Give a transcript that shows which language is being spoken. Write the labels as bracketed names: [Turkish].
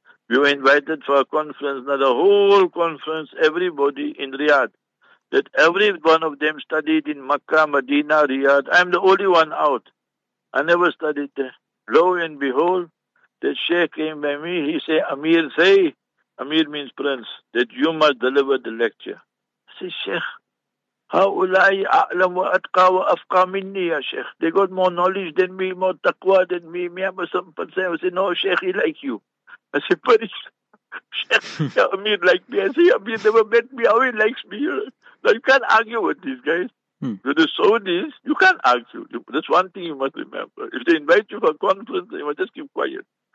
[English] We were invited for a conference, not a whole conference, everybody in Riyadh. That every one of them studied in Makkah, Medina, Riyadh. I'm the only one out. I never studied there. Lo and behold, the Sheikh came by me. He said, Amir, say, Amir means prince, that you must deliver the lecture. I said, Sheikh, [Arabic] هؤلاء أعلم وأتقى وأفقى مني يا شيخ. [English] They got more knowledge than me, more taqwa than me. Me, I'm a simple person. I said, no, Sheikh, he like you. I said, but Sheikh, yeah, Amir like me. I said, Amir never met me. How he likes me? Now, you can't argue with these guys. With the Saudis, you can't argue. That's one thing you must remember. If they invite you for a conference, you must just keep quiet.